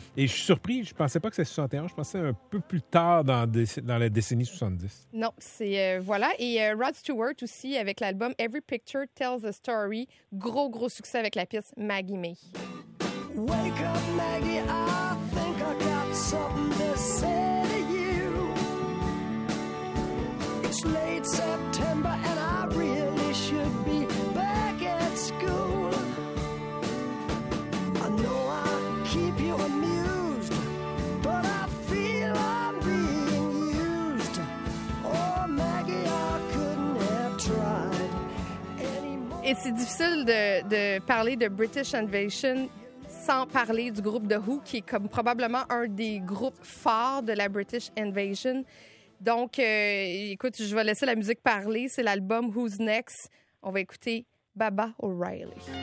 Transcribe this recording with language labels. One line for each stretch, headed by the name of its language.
French: Et je suis surpris, je pensais pas que c'était 61, je pensais un peu plus tard dans la décennie 70. Non, c'est... voilà. Et Rod Stewart aussi, avec l'album Every Picture Tells a Story. Gros, gros succès avec la pièce Maggie May.
English: Wake up, Maggie, something to say to you. It's late September and I really should be back at school. I know I keep you amused, but I feel I'm being used. Oh, Maggie, I couldn't have tried anymore.
French: Et c'est difficile de parler de British Invasion sans parler du groupe The Who, qui est comme probablement un des groupes phares de la British Invasion. Donc, écoute, je vais laisser la musique parler. C'est l'album Who's Next. On va écouter Baba O'Reilly.